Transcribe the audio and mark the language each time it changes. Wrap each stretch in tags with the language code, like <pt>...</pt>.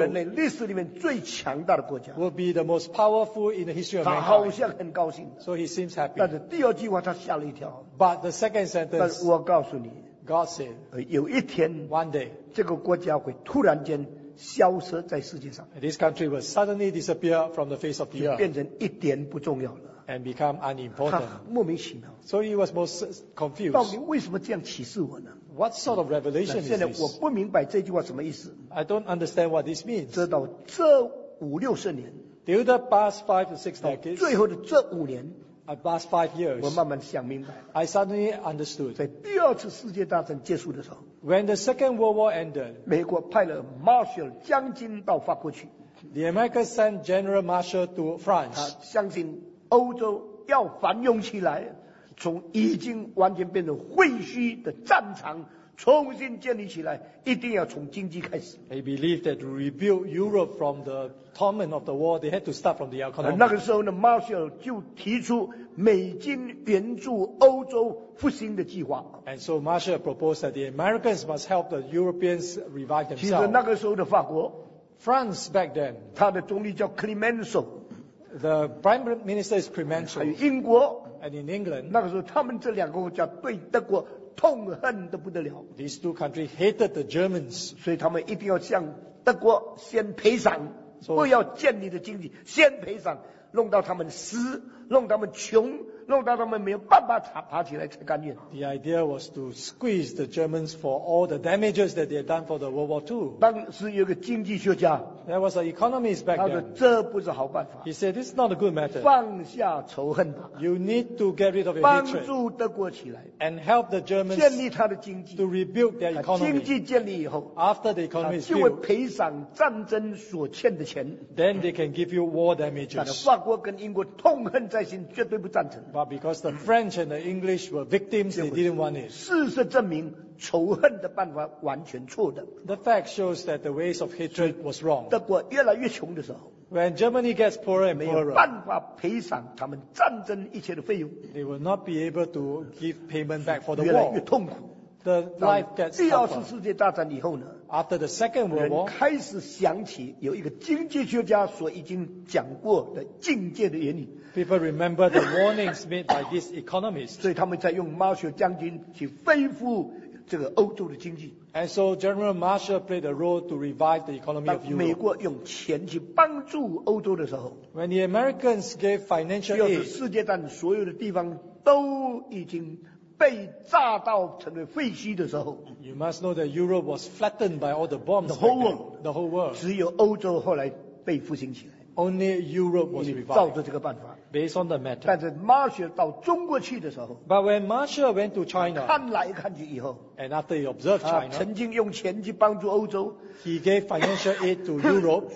<zh>人类历史里面最强大的国家。</zh> <en>Will be the most powerful in the history of mankind.</en> <zh>他好像很高兴。</zh> <en>So he seems happy.</en> <zh>但是第二句话他吓了一跳。</zh> <en>But the second sentence.</en> <zh>但我告诉你。</zh> <en>God said,</en> <zh>有一天</zh> <en>one day,</en> <zh>这个国家会突然间消失在世界上</zh> <en>This country will suddenly disappear from the face of the earth</en> <zh>变成一点不重要了</zh> <en>And become unimportant</en> <zh>莫名其妙</zh> <en>So he was most confused</en> <zh>到底为什么这样启示我呢</zh> <en>What sort of revelation is this?</en> <zh>现在我不明白这句话什么意思</zh> <en>I don't understand what this means</en> <zh>直到这五六十年</zh> <en>Till the past five to six decades</en> <zh>最后的这五年</zh> <en>About five years,</en> <zh>我慢慢想明白。</zh> <en>I suddenly understood.</en> <zh>在第二次世界大战结束的时候</zh> <en>，When the Second World War ended,</en> <zh>美国派了 Marshall 将军到法国去。</zh> <en>The Americans sent General Marshall to France.</en> <zh>他相信欧洲要繁荣起来，从已经完全变成废墟的战场。重新建立起来，一定要从经济开始。</zh> <en>They believed that to rebuild Europe from the torment of the war, they had to start from the economy.</en> <zh>那个时候呢 ，Marshall 就提出美金援助欧洲复兴的计划。</zh> <en>And so Marshall proposed that the Americans must help the Europeans revive themselves.</en> <zh>其实那个时候的法国</zh> <en>，France back then，</en> <zh>他的总理叫 Clemenceau。</zh> <en>The Prime Minister is Clemenceau.</en> <zh>还有英国</zh> <en>，and in England，</en> <zh>那个时候他们这两个国家对德国。痛恨得不得了。</zh> <en>These two countries hated the Germans.</en> <zh>所以他们一定要向德国先赔偿，不要建立的经济，先赔偿，弄到他们死，弄他们穷，弄到他们没有办法爬起来才甘愿。</zh> <en>The idea was to squeeze the Germans for all the damages that they had done for the World War II.</en> <zh>当时有个经济学家</zh> <en>，There was an economist back then.</en> <zh>他说这不是好办法。</zh> <en>He said this is not a good method.</en> <zh>放下仇恨吧。</zh> <en>You need to get rid of your hatred.</en> <zh>帮助德国起来</zh> <en>，and help the Germans</en> <zh>建立他的经济</zh> <en>，to rebuild their economy.</en> <zh>经济建立以后</zh> <en>，after the economy is built,</en> <zh>就会赔偿战争所欠的钱。</zh> <en>Then they can give you war damages.</en> <zh>但法国跟英国痛恨在心，绝对不赞成。</zh> <en>Because the French and the English were victims, they didn't want it.</en> <zh>事实证明，仇恨的办法完全错的。</zh> <en>The fact shows that the ways of hatred was wrong.</en> <zh>德国越来越穷的时候</zh> <en>，When Germany gets poorer and poorer,</en> <zh>没有办法赔偿他们战争一切的费用。</zh> <en>They will not be able to give payment back for the war.</en> <zh>越来越痛苦。</zh> <en>The life gets tougher.</en> <zh>第二次世界大战以后呢</zh> <en>？After the Second World War,</en> <zh>人开始想起有一个经济学家所已经讲过的境界的原理。</zh> <en>People remember the warnings made by this economist.</en> <zh>所以他们在用 Marshall 将军去恢复这个欧洲的经济。</zh> <en>And so General Marshall played a role to revive the economy of Europe.</en> <zh>美国用钱去帮助欧洲的时候</zh> <en>，When the Americans gave financial aid,</en> <zh>就是世界上所有的地方都已经被炸到成为废墟的时候</zh> <en>，You must know that Europe was flattened by all the bombs. The whole world, the whole world.</en> <zh>只有欧洲后来被复兴起来。</zh> <en>Only Europe was revived.</en> <zh>照着这个办法</zh> <en>，based on the method.</en> <zh>但是 Marshall 到中国去的时候</zh> <en>，But when Marshall went to China,</en> <zh>看来看去以后</zh> <en>，and after he observed China,</en> <zh>曾经用钱去帮助欧洲</zh> <en>，he gave financial aid to Europe.</en>